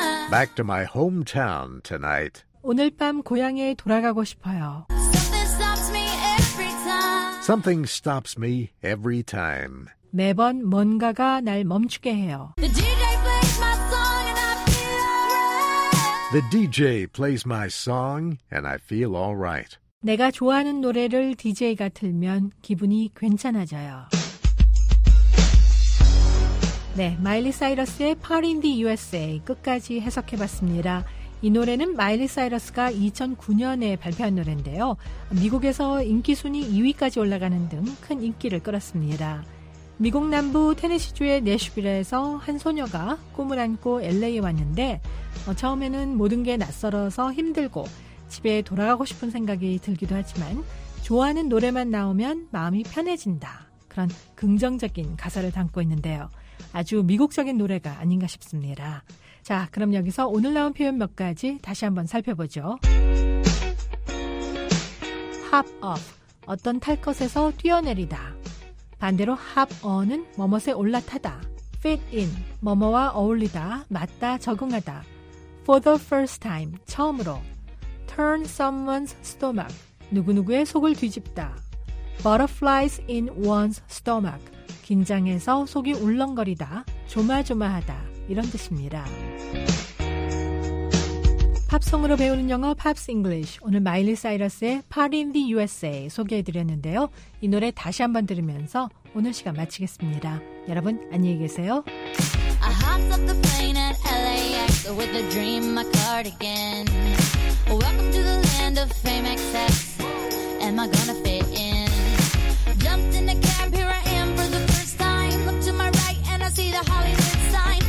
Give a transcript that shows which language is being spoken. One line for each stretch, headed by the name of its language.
English: Back to my hometown tonight.
Korean: 오늘 밤 고향에 돌아가고 싶어요.
English: Something stops me every time. Something stops me every time.
Korean: 매번 뭔가가 날 멈추게 해요.
English: The DJ plays my song and I feel alright. The DJ plays my song and I feel alright.
Korean: 내가 좋아하는 노래를 DJ가 틀면 기분이 괜찮아져요. 네, 마일리 사이러스의 Party in the USA 끝까지 해석해봤습니다. 이 노래는 마일리 사이러스가 2009년에 발표한 노래인데요. 미국에서 인기 순위 2위까지 올라가는 등 큰 인기를 끌었습니다. 미국 남부 테네시주의 내슈빌에서 한 소녀가 꿈을 안고 LA에 왔는데 처음에는 모든 게 낯설어서 힘들고 집에 돌아가고 싶은 생각이 들기도 하지만 좋아하는 노래만 나오면 마음이 편해진다. 그런 긍정적인 가사를 담고 있는데요. 아주 미국적인 노래가 아닌가 싶습니다. 자, 그럼 여기서 오늘 나온 표현 몇 가지 다시 한번 살펴보죠. Hop off, 어떤 탈 것에서 뛰어내리다. 반대로 hop on은 뭐뭇에 올라타다. Fit in, 뭐뭇와 어울리다, 맞다, 적응하다. For the first time, 처음으로. Turn someone's stomach, 누구누구의 속을 뒤집다. Butterflies in one's stomach, 긴장해서 속이 울렁거리다, 조마조마하다, 이런 뜻입니다. 팝송으로 배우는 영어 팝스 잉글리시 오늘 마일리 사이러스의 Party in the USA 소개해드렸는데요. 이 노래 다시 한번 들으면서 오늘 시간 마치겠습니다. 여러분 안녕히 계세요.
English: I hopped off the plane at LAX with a dream my cardigan. Welcome to the land of fame access. Am I gonna fit in? Jumped in the cab, here I am for the first time. Look to my right and I see the Hollywood sign.